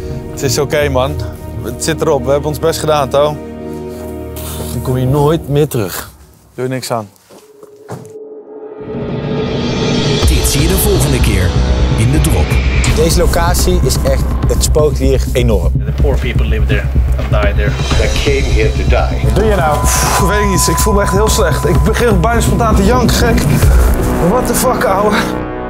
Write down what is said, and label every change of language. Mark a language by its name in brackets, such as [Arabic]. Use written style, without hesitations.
[Dutch] Het is oké, man. Het zit erop. We hebben ons best gedaan, Tho. Dan kom je nooit meer terug. Doe je niks aan. Zie je de volgende keer in de drop. Deze locatie is echt, het spookt hier enorm. [English] The poor people live there and die there. I came here to die. [Dutch] Wat doe je nou? Pff, weet ik niet, ik voel me echt heel slecht. Ik begin bijna spontaan te janken, gek. [English] What the fuck, [Dutch] ouwe?